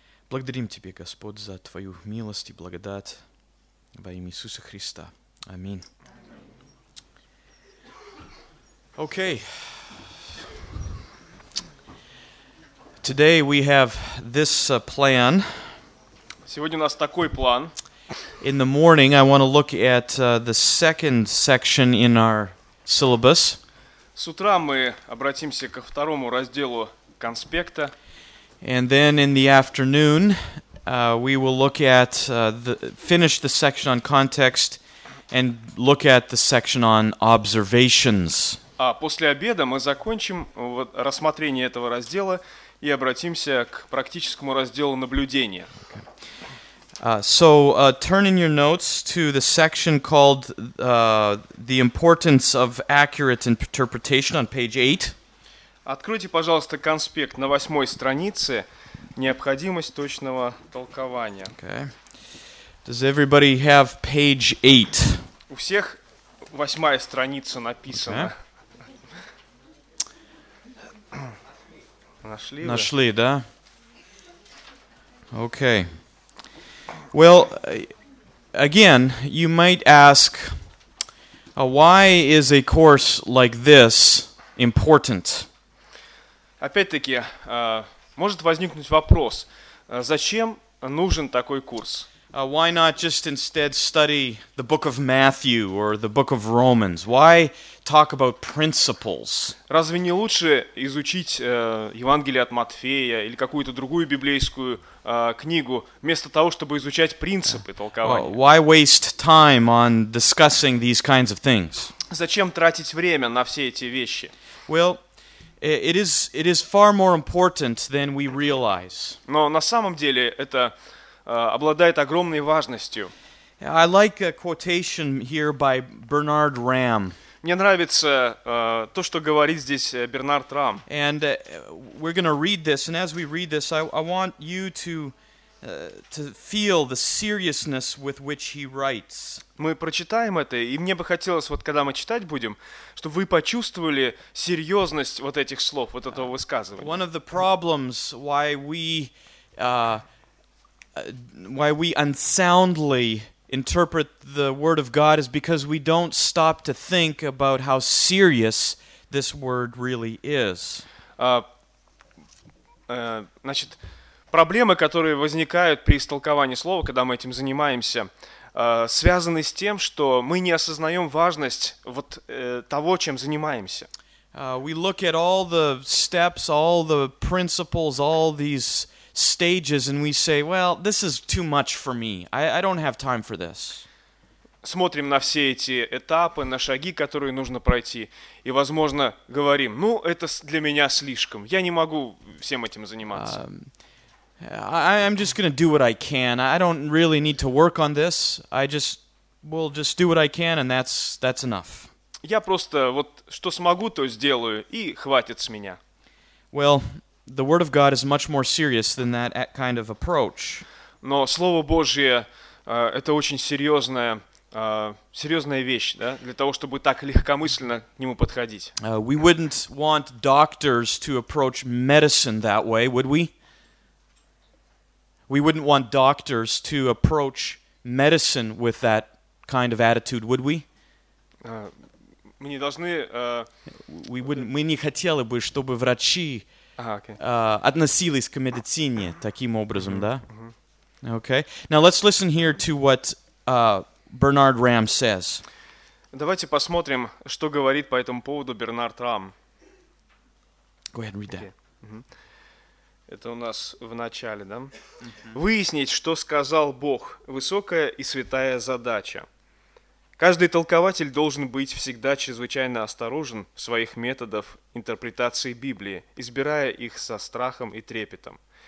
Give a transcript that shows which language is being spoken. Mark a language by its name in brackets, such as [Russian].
[Russian] Благодарим Тебя, Господь, за Твою милость и благодать во имя Иисуса Христа. Аминь. [English] Okay, today we have this plan. [Russian] Сегодня у нас такой план. [English] In the morning, I want to look at the second section in our syllabus. [Russian] С утра мы обратимся ко второму разделу конспекта. [English] And then in the afternoon, we will look at finish the section on context and look at the section on observations. [Russian] А после обеда мы закончим рассмотрение этого раздела и обратимся к практическому разделу наблюдения. [English] Okay. Turn in your notes to the section called The Importance of Accurate Interpretation on page 8. [Russian] Откройте, пожалуйста, конспект на восьмой странице «Необходимость точного толкования». [English] Okay. Does everybody have page 8? [Russian] У всех восьмая страница написана. [English] Okay. [Russian] Нашли, нашли, да? [English] Okay. Well, again, you might ask, why is a course like this important? [Russian] Опять-таки, может возникнуть вопрос, зачем нужен такой курс? [English] Why not just instead study the book of Matthew or the book of Romans? Why talk about principles? [Russian] Разве не лучше изучить Евангелие от Матфея или какую-то другую библейскую книгу вместо того, чтобы изучать принципы толкования? [English] Well, why waste time on discussing these kinds of things? [Russian] Зачем тратить время на все эти вещи? [English] Well, it is far more important than we realize. [Russian] Но на самом деле это обладает огромной важностью. [English] I like a quotation here by Bernard Ram. [Russian] Мне нравится то, что говорит здесь Бернард Рам. [English] And we're going to read this, and as we read this, I want you to feel the seriousness with which he writes. [Russian] Мы прочитаем это, и мне бы хотелось, вот когда мы читать будем, чтобы вы почувствовали серьезность вот этих слов, вот этого высказывания. [English] One of the problems why we unsoundly interpret the word of God is because we don't stop to think about how serious this word really is. [Russian] Значит, проблемы, которые возникают при истолковании слова, когда мы этим занимаемся, связаны с тем, что мы не осознаем важность вот того, чем занимаемся. [English] We look at all the steps, all the principles, all these stages, and we say, well, this is too much for me. I don't have time for this. [Russian] Смотрим на все эти этапы, на шаги, которые нужно пройти, и, возможно, говорим, ну, это для меня слишком. Я не могу всем этим заниматься. [English] I'm just going to do what I can. I don't really need to work on this. I just will just do what I can, and that's enough. [Russian] Я просто вот что смогу, то сделаю, и хватит с меня. [English] Well, the word of God is much more serious than that kind of approach. [Russian] Но слово Божье это очень серьезная серьезная вещь, да, для того чтобы так легкомысленно к нему подходить. [English] We wouldn't want doctors to approach medicine that way, would we? We wouldn't want doctors to approach medicine with that kind of attitude, would we? [Russian] Мы не должны. Мы не хотели бы, чтобы врачи относились к медицине таким образом, да? [English] Okay. Now let's listen here to what Bernard Ram says. [Russian] Давайте посмотрим, что говорит по этому поводу Бернард Рам. [English] Go ahead and read that. Okay. [Russian] Это у нас в начале, да? Выяснить, что сказал Бог, высокая и святая задача. Каждый толкователь должен быть всегда чрезвычайно осторожен в своих методах интерпретации Библии, избирая их со страхом и трепетом.